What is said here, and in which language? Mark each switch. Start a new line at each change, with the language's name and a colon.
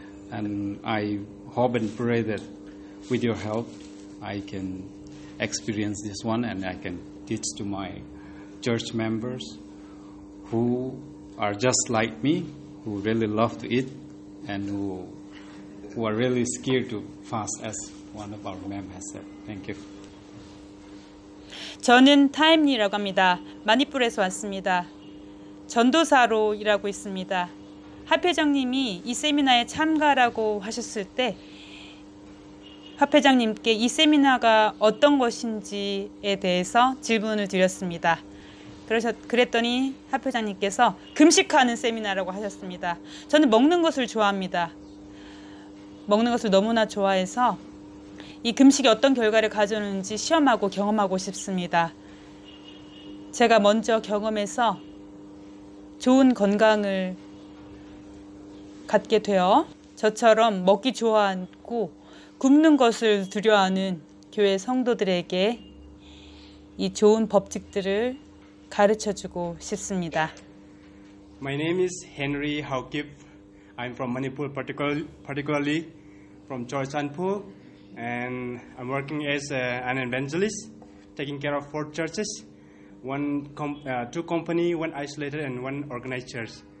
English: And I hope and pray that with your help, I can experience this one, and I can teach to my church members who are just like me, who really love to eat, and who are really scared to fast, as one of our members has said. Thank you.
Korean: 저는 타임리라고 합니다. 마니풀에서 왔습니다. 전도사로 일하고 있습니다. 합회장님이 이 세미나에 참가라고 하셨을 때 합회장님께 이 세미나가 어떤 것인지에 대해서 질문을 드렸습니다. 그랬더니 합회장님께서 금식하는 세미나라고 하셨습니다. 저는 먹는 것을 좋아합니다. 먹는 것을 너무나 좋아해서 이 금식이 어떤 결과를 가져오는지 시험하고 경험하고 싶습니다. 제가 먼저 경험해서 좋은 건강을 갖게 되어 저처럼 먹기 좋아하고 굶는 것을 두려워하는 교회 성도들에게 이 좋은 법칙들을 가르쳐주고 싶습니다.
English: My name is Henry Haukip. I'm from Manipur, particularly from Chorsanpo, and I'm working as an evangelist, taking care of four churches, two company, one isolated, and one organized church.